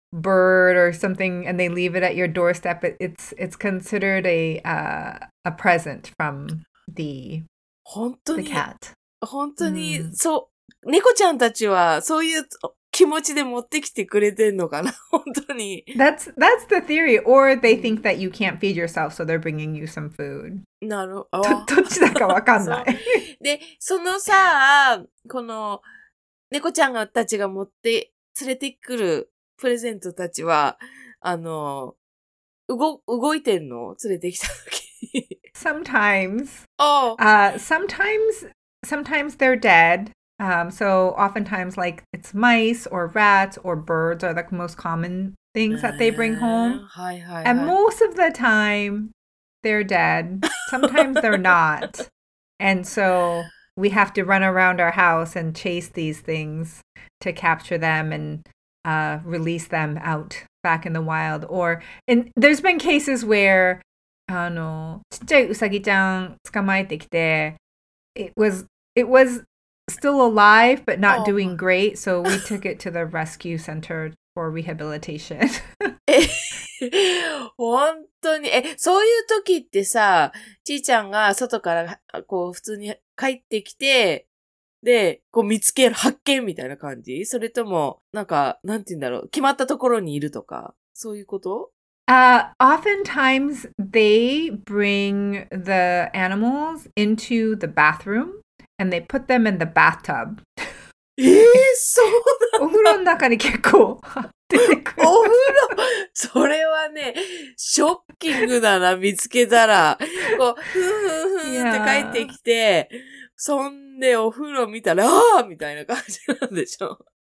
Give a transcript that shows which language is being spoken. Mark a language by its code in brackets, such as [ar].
[en] bird or something and they leave it at your doorstep, it's considered a present from the, [ja] 本当に、 [en] the cat. [ja] 本当に、そう、猫ちゃんたちはそういう気持ちで持ってきてくれてるのかな、本当に。 [en] That's the theory, or they think that you can't feed yourself, so they're bringing you some food. [ja] なるほど。どっちだかわかんない。で、そのさ、この猫ちゃんたちが持って連れてくるプレゼントたちは、あの、動いてんの？連れてきたとき。 [en] Sometimes. Oh. Sometimes they're dead. So oftentimes, like, it's mice or rats or birds are the most common things that they bring home. [ja] はいはい、 [en] And most of the time, they're dead. Sometimes they're not. And so... we have to run around our house and chase these things to capture them and、release them out back in the wild. Or and there's been cases where, [ja] あの、ちっちゃいウサギちゃん捕まえてきて、 [en] it was still alive, but not、oh. doing great. So we took it to the rescue center for rehabilitation. [ja] 本当に、え、そういう時ってさ、ちーちゃんが外からこう普通に帰ってきて、で、こう見つける、発見みたいな感じ？それとも、なんか、なんて言うんだろう、決まったところにいるとか、そういうこと？ [en] Oftentimes they bring the animals into the bathroom and they put them in the bathtub. [ja] そうなんだ。お風呂の中に結構。お風呂、それはね、ショッキングだな、見つけたら。こう、ふんふんふんって帰ってきて、そんでお風呂見たら、ああみたいな感じなんでしょ。